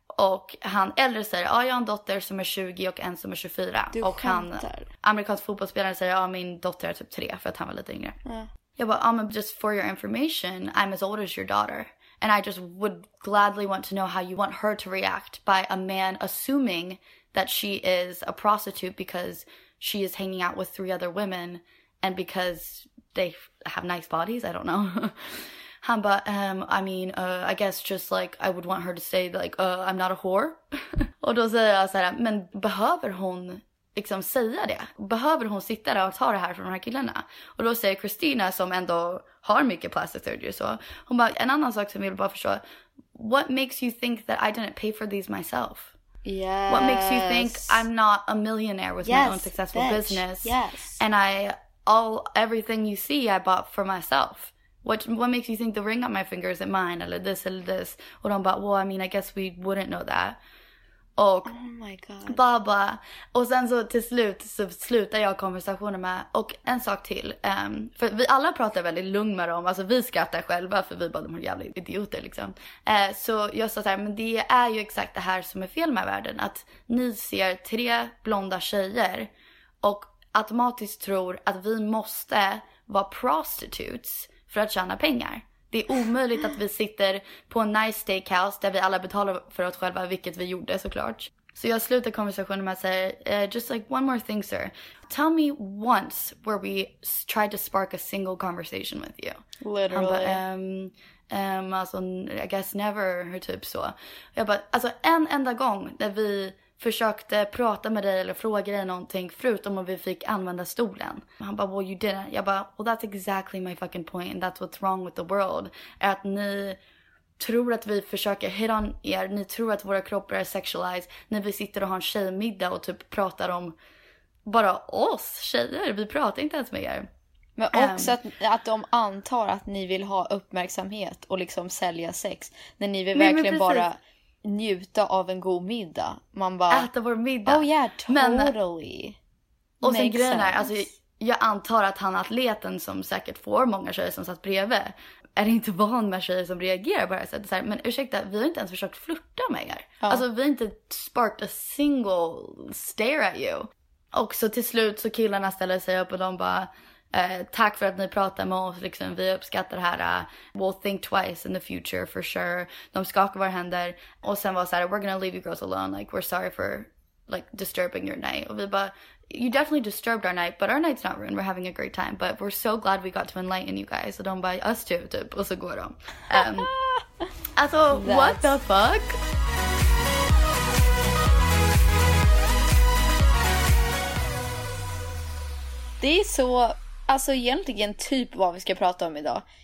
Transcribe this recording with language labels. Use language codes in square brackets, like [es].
[sv] Och han äldre säger, ja, jag har en dotter som är 20 och en som är 24. Du och skämtar. Han, amerikansk fotbollsspelare, säger, ja, min dotter är typ 3 för att han var lite yngre. Ja. Jag bara, [en] just for your information, I'm as old as your daughter. And I just would gladly want to know how you want her to react by a man assuming that she is a prostitute because she is hanging out with 3 other women. And because they have nice bodies, I don't know. [sv] Han ba, [en] I guess just like I would want her to say like, I'm not a whore. [sv] Och då säger jag så här, men behöver hon liksom säga det? Behöver hon sitta där och ta det här från de här killarna? Och då säger Christina, som ändå har mycket plastic surgery, så hon bara, en annan sak som jag vill bara förstå. [en] What makes you think that I didn't pay for these myself? Yes. What makes you think I'm not a millionaire with my own successful business? Yes. And everything you see I bought for myself. What makes you think the ring on my finger isn't mine? Eller this, eller this. [sv] Och de bara, [en] well, I mean, I guess we wouldn't know that. [sv] Och, [en] oh my god. Blah, blah. [sv] Och sen så till slut så slutar jag konversationen med, och en sak till. För vi alla pratar väldigt lugnt med dem. Alltså vi skrattar själva för vi bara, de är jävla idioter liksom. Så jag sa så här, men det är ju exakt det här som är fel med världen. Att ni ser 3 blonda tjejer och automatiskt tror att vi måste vara prostitutes för att tjäna pengar. Det är omöjligt att vi sitter på en nice steakhouse där vi alla betalar för oss själva, vilket vi gjorde såklart. Så jag slutar konversationen med att säga, [en] just like one more thing, sir. Tell me once where we tried to spark a single conversation with you. Literally. [sv] Han ba, alltså, [en] I guess never, [sv] hur typ så. Jag bara, alltså en enda gång när vi... försökte prata med dig eller fråga dig någonting förutom om vi fick använda stolen. Han bara, [en] well, you didn't. [sv] Jag bara, [en] well, that's exactly my fucking point and that's what's wrong with the world. [sv] Är att ni tror att vi försöker hit on er. Ni tror att våra kroppar är sexualized när vi sitter och har en tjejmiddag och typ pratar om bara oss tjejer. Vi pratar inte ens med er. Men också att de antar att ni vill ha uppmärksamhet och liksom sälja sex när ni vill verkligen bara njuta av en god middag. Man bara, äta vår middag. [en] Oh yeah, totally. [sv] Men, och sen grejen är, alltså, jag antar att han atleten som säkert får många tjejer som satt bredvid, är inte van med tjejer som reagerar på det här sättet. Så här, men ursäkta, vi har inte ens försökt flirta med er. Ja. Alltså vi har inte [en] sparked a single stare at you. [sv] Och så till slut så killarna ställer sig upp och de bara, tack för att ni pratar med oss, liksom, vi uppskattar det här, [en] we'll think twice in the future for sure. [sv] De skakar våra händer och sen var så här, [en] we're gonna leave you girls alone, like we're sorry for like disturbing your night. [sv] Och vi bara, [en] you definitely disturbed our night, but our night's not ruined, we're having a great time, but we're so glad we got to enlighten you guys. [sv] Och de bara, [en] us too, [sv] typ, och så går de. [en] Alltså, what the fuck? [sv] Det är så, alltså egentligen typ vad vi ska prata om idag.